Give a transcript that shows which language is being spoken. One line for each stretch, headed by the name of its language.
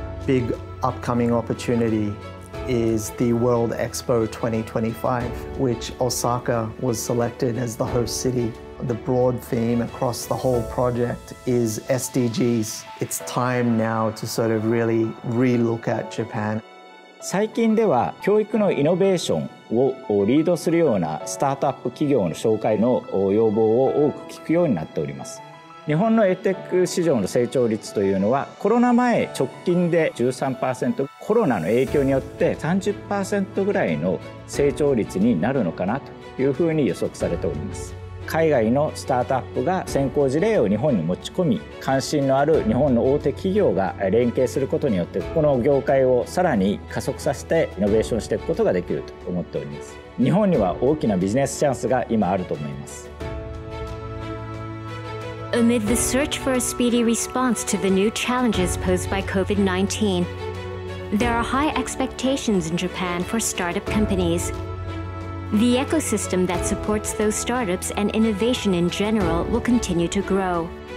English: Big upcoming opportunity is the World Expo 2025, which Osaka was selected as the host city. The broad theme across the whole project is SDGs. It's time now to sort of really relook at Japan.
Japanese: 最近では教育のイノベーションをリードするようなスタートアップ企業の紹介の要望を多く聞くようになっております。日本のエテック市場の成長率というのはコロナ前直近で 13%、 コロナの影響によって 30% ぐらいの成長率になるのかなというふうに予測されております。海外のスタートアップが先行事例を日本に持ち込み、関心のある日本の大手企業が連携することによってこの業界をさらに加速させてイノベーションしていくことができると思っております。日本には大きなビジネスチャンスが今あると思います。
English: Amid the search for a speedy response to the new challenges posed by COVID-19, there are high expectations in Japan for startup companies. The ecosystem that supports those startups and innovation in general will continue to grow.